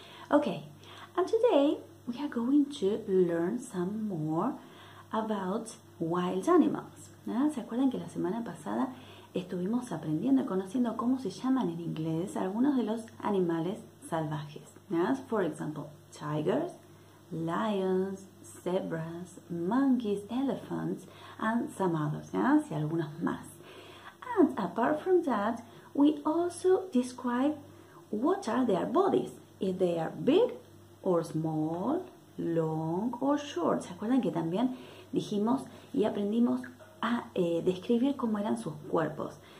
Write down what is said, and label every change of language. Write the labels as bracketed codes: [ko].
[en] Okay, and today we are going to learn some more about wild animals. ¿Ah? [es] ¿Se acuerdan que la semana pasada estuvimos aprendiendo, conociendo cómo se llaman en inglés algunos de los animales salvajes? ¿Ah? [en] For example, tigers, lions, zebras, monkeys, elephants, and some others. ¿Ah? [es] Sí, algunos más. [en] And apart from that, we also describe what are their bodies, if they are big or small, long or short. [es] ¿Se acuerdan que también dijimos y aprendimos a describir cómo eran sus cuerpos?